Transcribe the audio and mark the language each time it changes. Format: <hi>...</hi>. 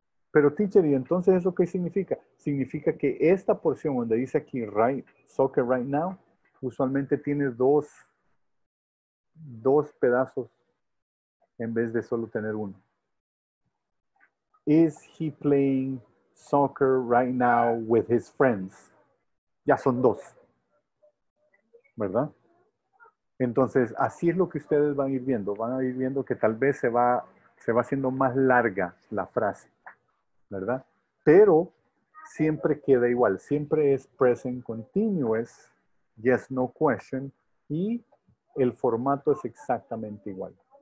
<es>Pero teacher, ¿y entonces eso qué significa? Significa que esta porción donde dice aquí</es> <en>right, soccer right now,</en> <es>usualmente tiene dos pedazos en vez de solo tener uno.</es> <en>Is he playing soccer right now with his friends?</en> <es>Ya son dos. ¿Verdad? Entonces, así es lo que ustedes van a ir viendo. Van a ir viendo que tal vez se va haciendo más larga la frase. ¿Verdad? Pero siempre queda igual. Siempre es present continuous.</es> <en>Yes, no question.</en> <es>Y el formato es exactamente igual.</es>